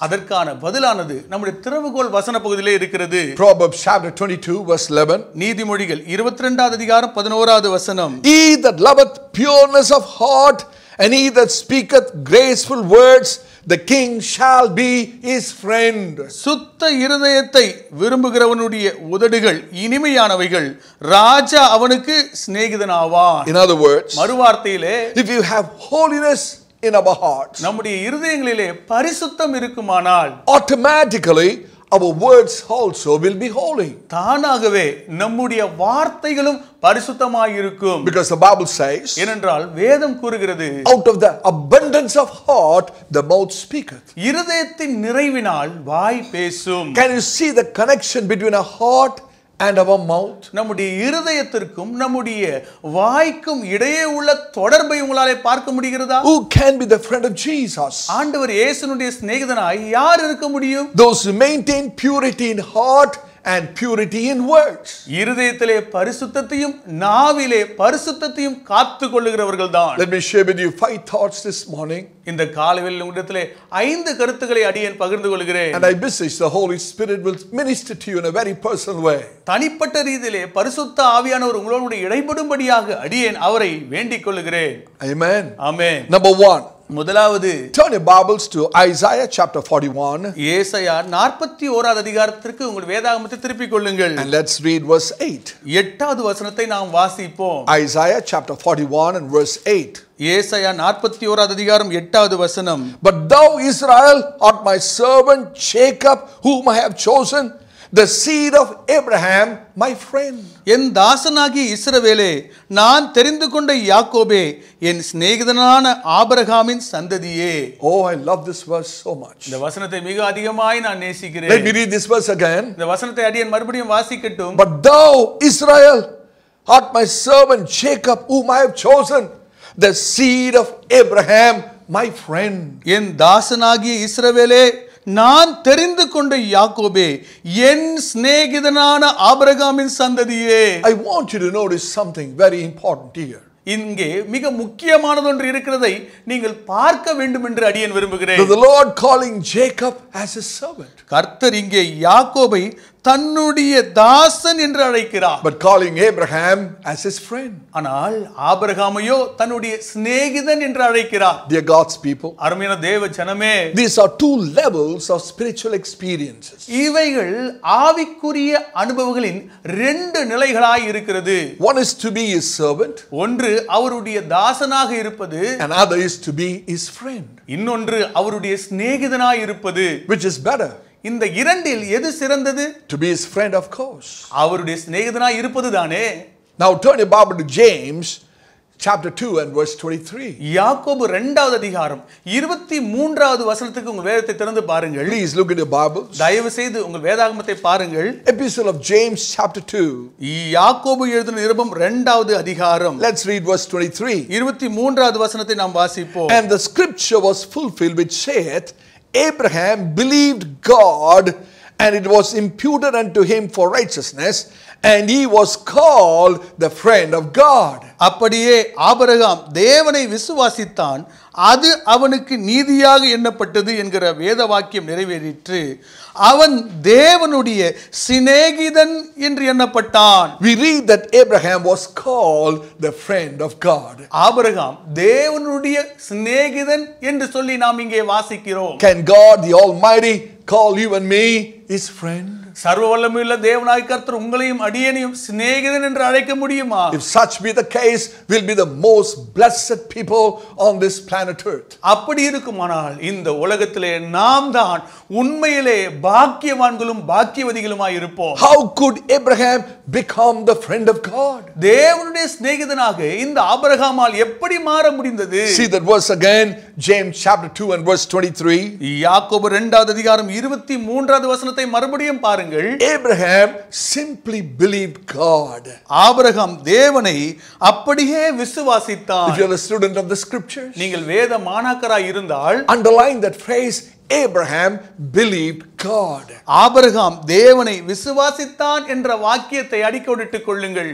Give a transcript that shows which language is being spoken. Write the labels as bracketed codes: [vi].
[ta] அதற்கான பதிலானது நம்முடைய திறவுகோல் வசன பகுதியிலே இருக்கிறது [en] proverbs chapter 22 verse 11 [ta] நீதிமொழிகள் 22வது அதிகாரம் 11வது வசனம் [en] he that loveth pureness of heart and he that speaketh graceful words the king shall be his friend [ta] சுத்த இருதயத்தை விரும்புகிறவனுடைய உதடுகள் இனிமையானவைகள் ராஜா அவனுக்கு சிநேகிதனாவான் [en] in other words [ta] மறுவார்த்தையிலே [en] if you have holiness in our hearts [ta] நம்முடைய இருதயங்களிலே பரிசுத்தம் இருக்குமானால் [en] automatically our words also will be holy [ta] தானாகவே நம்முடைய வார்த்தைகளும் பரிசுத்தமாய் இருக்கும் [en] because the bible says [ta] ஏனென்றால் வேதம் கூறுகிறது [en] out of the abundance of heart the mouth speaketh [ta] இருதயத்தின் நிறைவினால் வாய் பேசும் [en] can you see the connection between a heart and our mouth [ta] நம்முடைய இருதயத்திற்கும் நம்முடைய வாய்க்கும் இடையே உள்ள தொடர்பை உங்களால பார்க்க முடியுகிறதா [en] who can be the friend of jesus [ta] ஆண்டவர் இயேசுனுடைய சிநேகிதனாய் யார் இருக்க முடியும் [en] those who maintain purity in heart and purity in words [ta] இருதயத்திலே பரிசுத்தத்தையும் நாவிலே பரிசுத்தத்தையும் காத்துக்கொள்ளுகிறவர்கள்தான் [en] let me share with you five thoughts this morning [ta] இந்த காலையில் உங்களிடத்திலே ஐந்து கருத்துக்களை அடியேன் பகிர்ந்து கொள்கிறேன் [en] and i beseech the holy spirit will minister to you in a very personal way [ta] தனிப்பட்ட ரீதியிலே பரிசுத்த ஆவியானவர் உங்களோடு இடைபடும்படியாக அடியேன் அவரை வேண்டிக்கொள்கிறேன் [en] amen amen number 1 [ta] முதலாவது [en] turn your bibles to isaiah chapter 41 [ta] ஏசாயா 41வது அதிகாரத்துக்கு உங்கள் வேதாகமத்தை திருப்பி கொள்ளுங்கள் [en] and let's read verse 8 [ta] எட்டாவது வசனத்தை நாம் வாசிப்போம் [en] isaiah chapter 41 and verse 8 [ta] ஏசாயா 41வது அதிகாரம் 8வது வசனம் [en] but thou israel art my servant jacob whom i have chosen the seed of abraham my friend [ta] என் தாசனாகி இஸ்ரவேலே நான் தெரிந்து கொண்ட யாக்கோபே என் சிநேகிதனான ஆபிரகாமின் சந்ததியே [en] oh i love this verse so much [ta] இந்த வசனத்தை மிக அதிகமாக நான் நேசிக்கிறேன் [en] let me read this verse again [ta] இந்த வசனத்தை அடியேன் மறுபடியும் வாசிக்கட்டும் [en] but thou israel art my servant jacob whom i have chosen the seed of abraham my friend [ta] என் தாசனாகி இஸ்ரவேலே நான் தெரிந்து கொண்ட யாக்கோபே என் சிநேகிதனான ஆபிரகாமின் சந்ததியே. [en] I want you to notice something very important here. [ta] இங்கே மிக முக்கியமானது ஒன்று இருக்கிறதை நீங்கள் பார்க்க வேண்டும் என்று அடியேன் விரும்புகிறேன். [en] The Lord calling Jacob as a servant. [ta] கர்த்தர் இங்கே யாக்கோபை தன்னுடைய தாசன் என்று அழைக்கிறார். [en] But calling Abraham as his friend. [ta] ஆனால் ஆபிரகாமையோ தன்னுடைய சிநேகிதன் என்று அழைக்கிறார். [en] Dear God's people. [ta] அருமையான தேவ ஜனமே. [en] These are two levels of spiritual experiences. [ta] இவைகள் ஆவிக்குரிய அனுபவங்களின் இரண்டு நிலைகளாய் இருக்கிறது. [en] One is to be his servant. [ta] ஒன்று அவருடைய தாசனாக இருப்பது. [en] Another is to be his friend. [ta] இன்னொன்று அவருடைய சிநேகிதனாய் இருப்பது. [en] Which is better? [ta] இந்த இரண்டில் எது சிறந்தது? [en] To be his friend, of course. [ta] அவருடைய சிநேகிதனாய் இருப்பது தானே. [en] Now turn your Bible to James chapter 2 and verse 23. [ta] யாக்கோபு 2வது அதிகாரம் 23வது வசனத்துக்கு உங்கள் வேதத்தை திறந்து பாருங்கள். [en] Please look at your Bibles. [ta] தயவு செய்து உங்கள் வேதாகமத்தை பாருங்கள். [en] Epistle of James chapter 2. [ta] யாக்கோபு எழுதின இரபம் 2வது அதிகாரம். [en] Let's read verse 23. [ta] 23வது வசனத்தை நாம் வாசிப்போம். [en] And the scripture was fulfilled which saith, Abraham believed God and it was imputed unto him for righteousness and he was called the friend of God. [ta] அப்படியே Abraham தேவனை விசுவாசித்தான் அது அவனுக்கு நீதியாக எண்ணப்பட்டது என்கிற வேத வாக்கியம் நிறைவேறிற்று. அவன் தேவனுடைய சிநேகிதன் என்று எண்ணப்பட்டான். [en] We read that Abraham was called the friend of God. [ta] Abraham தேவனுடைய சிநேகிதன் என்று சொல்லி நாம் இங்கே வாசிக்கிறோம். [en] Can God the Almighty call you and me his friend? [ta] சர்வவல்லமையுள்ள தேவனாய் கர்த்தர் உங்களையும் அடியேனையும் சிநேகிதன் என்று அழைக்க முடியுமா? [en] If such be the case, we'll be the most blessed people on this planet earth. [ta] அப்படி இருக்குமானால் இந்த உலகத்திலே நாம்தான் உண்மையிலே பாக்கியவான்களும் பாக்கியவதிகளுமாய் இருப்போம். [en] How could Abraham become the friend of God? [ta] தேவனுடைய சிநேகிதனாக இந்த ஆபிரகாமால் எப்படி மாற முடிந்தது? [en] See that verse again, James chapter 2 and verse 23. [ta] யாக்கோபு 2வது அதிகாரம் 23வது வசனத்தை மறுபடியும் [en] Abraham simply believed God. [ta] Abraham தேவனை அப்படியே விசுவாசித்தான். [en] If you're a student of the scriptures, [ta] நீங்கள் வேத மாணாக்கராய் இருந்தால், [en] underline that phrase, Abraham believed God. [ta] Abraham தேவனை விசுவாசித்தான் என்ற வாக்கியத்தை அடிக்கோடிட்டுக் கொள்ளுங்கள்.